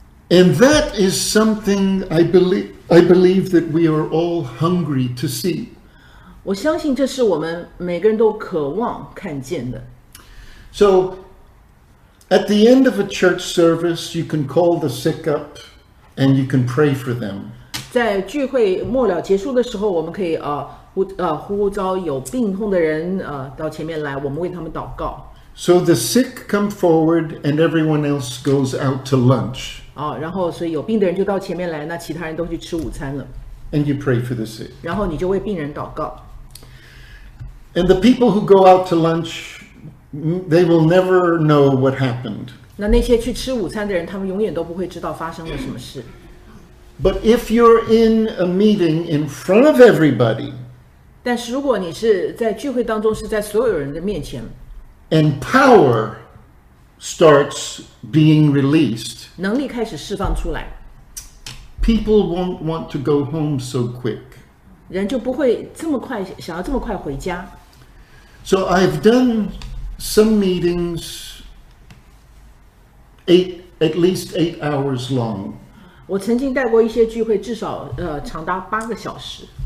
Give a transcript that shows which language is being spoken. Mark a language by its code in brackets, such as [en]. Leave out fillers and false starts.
[en] And that is something I believe that we are all hungry to see. [zh] 我相信这是我们每个人都渴望看见的。 [en] So, at the end of a church service, you can call the sick up, and you can pray for them. [zh] 在聚会末了结束的时候，我们可以呼召有病痛的人到前面来，我们为他们祷告。 [en] So the sick come forward, and everyone else goes out to lunch. [zh] 然后所以有病的人就到前面来，那其他人都去吃午餐了。 [en] And you pray for the sick. [zh] 然后你就为病人祷告。 [en] And the people who go out to lunch, they will never know what happened. [zh] 那些去吃午餐的人，他们永远都不会知道发生了什么事。 [en] But if you're in a meeting in front of everybody, [zh] 但是如果你是在聚会当中，是在所有人的面前， [en] and power starts being released, [zh] 能力开始释放出来。 [en] People won't want to go home so quick. [zh] 人就不会这么快想要这么快回家。 [en] So I've done some meetings at least eight hours long. [zh] 我曾经带过一些聚会，至少长达八个小时。